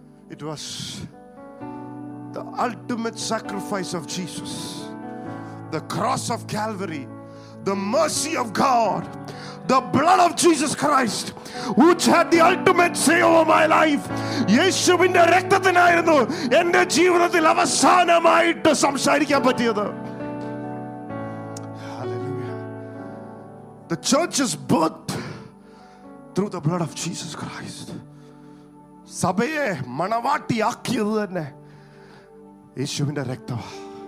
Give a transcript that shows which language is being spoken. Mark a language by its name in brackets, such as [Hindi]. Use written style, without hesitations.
[English] It was the ultimate sacrifice of Jesus, the cross of Calvary, the mercy of God, the blood of Jesus Christ, which had the ultimate say over my life. [Malayalam] യേശുവിന്റെ രക്തത്തിനായിരുന്നു എന്റെ ജീവിതത്തിൽ അവസാനമായിട്ട് സംസാരിക്കാൻ പറ്റിയത്. [English] Hallelujah. The church is birthed through the blood of Jesus Christ. [Malayalam] സഭയെ മണവാട്ടിയാക്കിയത് തന്നെ യേശുവിന്റെ രക്തമാണ്.